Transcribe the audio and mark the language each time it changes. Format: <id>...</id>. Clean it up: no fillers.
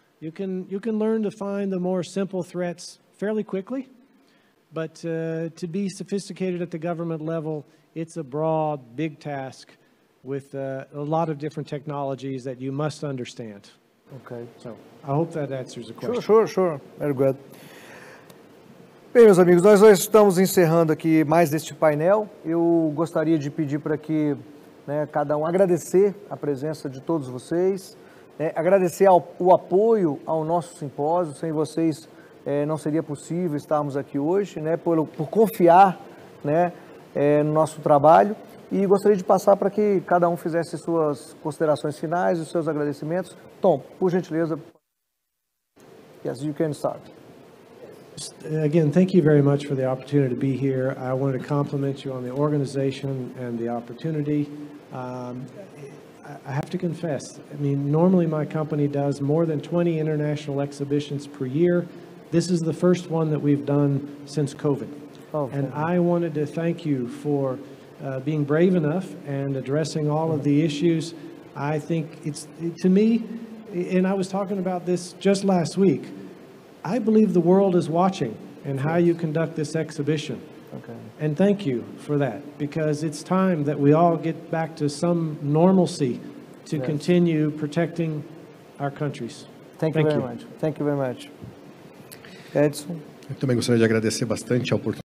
<en>You can learn to find the more simple threats fairly quickly, but to be sophisticated at the government level, it's a broad, big task with a lot of different technologies that you must understand. Okay. So, I hope that answers the question. Sure. Very good.</en> <pt>Bem, meus amigos, nós estamos encerrando aqui mais deste painel. Eu gostaria de pedir para que, né, cada um agradecer a presença de todos vocês, agradecer o apoio ao nosso simpósio. Sem vocês, não seria possível estarmos aqui hoje, né, por confiar, né, no nosso trabalho, e gostaria de passar para que cada um fizesse suas considerações finais e seus agradecimentos. Tom, por gentileza.</pt> <en>Yes, you can start. Again, thank you very much for the opportunity to be here. I wanted to compliment you on the organization and the opportunity. I have to confess, I mean, normally my company does more than 20 international exhibitions per year. This is the first one that we've done since COVID. Oh, and I wanted to thank you for being brave enough and addressing all of the issues. I think to me, and I was talking about this just last week, I believe the world is watching and how you conduct this exhibition. Okay. And thank you for that, because it's time that we all get back to some normalcy to continue protecting our countries. Thank you very much.</en> <pt>Edson? Eu também gostaria de agradecer bastante a oportunidade.</pt>